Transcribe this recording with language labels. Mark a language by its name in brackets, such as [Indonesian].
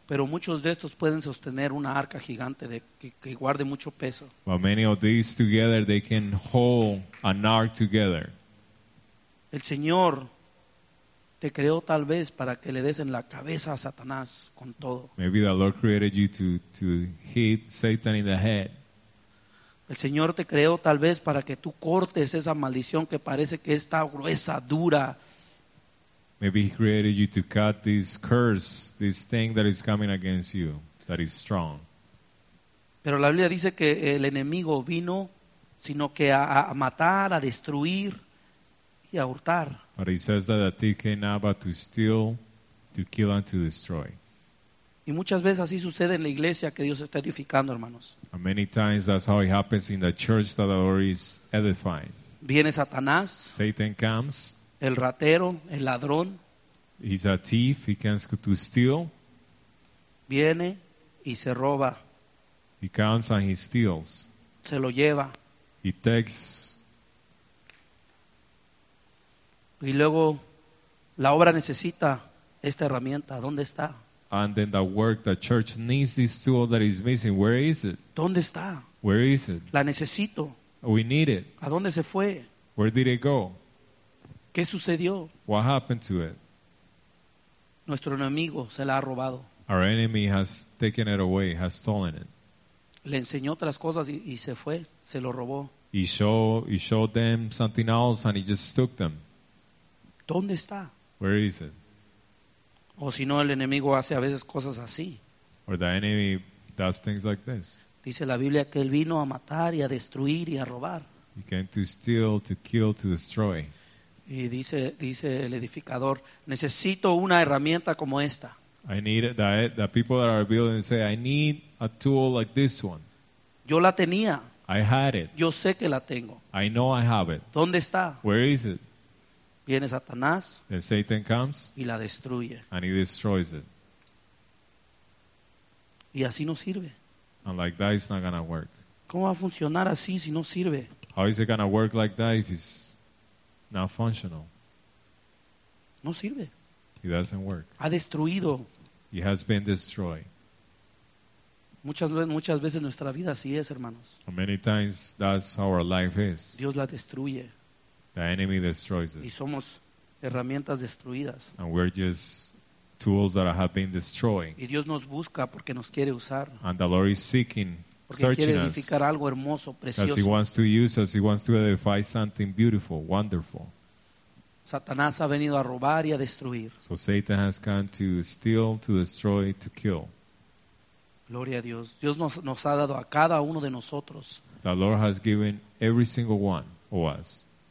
[Spanish] Pero muchos de estos pueden sostener una arca gigante que guarde mucho peso. [English] But many of these together, they can hold an ark together. [Spanish] El Señor te creó tal vez para que le des en la cabeza a Satanás con todo. [English] Maybe the Lord created you to hit Satan in the head. [Spanish] El Señor te creó tal vez para que tú cortes esa maldición que parece que está gruesa, dura. [English] Maybe he created you to cut this curse, this thing that is coming against you, that is strong. [Spanish] Pero la Biblia dice que el enemigo vino, sino que a matar, a destruir. Y a hurtar. [English] But it says that a thief came not but to steal, to kill and to destroy. [Spanish] Y muchas veces así sucede en la iglesia que Dios está edificando, hermanos. [English] And many times that's how it happens in the church that the Lord is edifying. [Spanish] Viene Satanás. [English] Satan comes. [Spanish] El ratero, el ladrón. [English] He's a thief. He comes to steal. [Spanish] Viene y se roba. [English] He comes and he steals. [Spanish] Se lo lleva. [English] He takes. [Spanish] Y luego la obra necesita esta herramienta. ¿Dónde está? [English] And then the work, the church needs this tool that is missing. Where is it? [Spanish] ¿Dónde está? [English] Where is it? [Spanish] La necesito. [English] We need it. [Spanish] ¿A dónde se fue? [English] Where did it go? [Spanish] ¿Qué sucedió? [English] What happened to it? [Spanish] Nuestro enemigo se la ha robado. [English] Our enemy has taken it away, has stolen it. [Spanish] Le enseñó otras cosas y se fue, se lo robó. [English] He showed them something else and he just took them. [Spanish] ¿Dónde está? [English] Where is it? [Spanish] O si no, el enemigo hace a veces cosas así. [English] Or the enemy does things like this. [Spanish] Dice la Biblia que él vino a matar y a destruir y a robar. [English] He came to steal, to kill, to destroy. [Spanish] Y dice el edificador, necesito una herramienta como esta. [English] I need that. The people that are building say, I need a tool like this one. [Spanish] Yo la tenía. [English] I had it. [Spanish] Yo sé que la tengo. [English] I know I have it. [Spanish] ¿Dónde está? [English] Where is it? [Spanish] Viene Satanás. [English] Then Satan comes. [Spanish] Y la destruye. [English] And he destroys it. [Spanish] Y así no sirve. [English] And like that, it's not gonna work. [Spanish] ¿Cómo va a funcionar así si no sirve? [English] How is it gonna work like that if it's not functional? [Spanish] No sirve. [English] It doesn't work. [Spanish] Ha destruido. [English] It has been destroyed. [Spanish] Muchas veces nuestra vida así es, hermanos. [English] And many times that's how our life is. [Spanish] Dios la destruye. [English] The enemy destroys it. [Spanish] Y somos herramientas destruidas. [English] And we're just tools that have been destroyed. [Spanish] Y Dios nos busca porque nos quiere usar. [English] And the Lord is seeking, [Spanish] porque [English] searching [Spanish] quiere edificar [English] us [Spanish] algo hermoso, precioso. Because [English] he wants to use us. He wants to edify something beautiful, wonderful. [Spanish] Satanás ha venido a robar y a destruir. [English] So Satan has come to steal, to destroy, to kill. [Spanish] Gloria a Dios. Dios nos ha dado a cada uno de nosotros. [English] The Lord has given every single one of us.